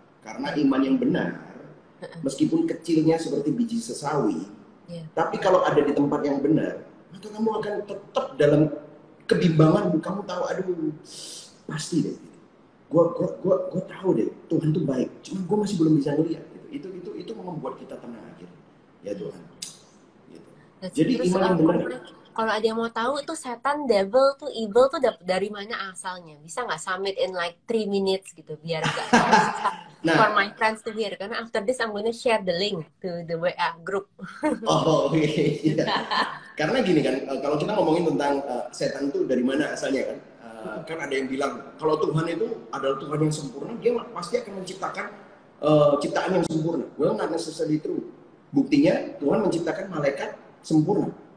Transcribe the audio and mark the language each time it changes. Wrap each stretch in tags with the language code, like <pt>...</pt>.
<id>Karena iman yang benar, meskipun kecilnya seperti biji sesawi, tapi kalau ada di tempat yang benar, maka kamu akan tetap dalam kebimbangan, kamu tahu, aduh, pasti deh, gue tahu deh, Tuhan tuh baik, cuma gue masih belum bisa ngeliat, gitu. Itu membuat kita tenang akhirnya, ya Tuhan. Gitu. Jadi iman yang benar. Kalau ada yang mau tahu, itu setan, devil, tuh evil tuh dari mana asalnya? Bisa nggak summit</id> <en>in like 3 minutes</en> <id>gitu, biar gak nah,</id> <en>for my friends to hear. Karena after this, I'm gonna share the link to the WA group. Oh, okay. Yeah.</en> <id>Karena gini kan, kalau kita ngomongin tentang setan tuh dari mana asalnya kan, kan ada yang bilang, kalau Tuhan itu adalah Tuhan yang sempurna, Dia pasti akan menciptakan ciptaan yang sempurna.</id> <en>Well, not necessarily true.</en> <id>Buktinya, Tuhan menciptakan malaikat sempurna.</id>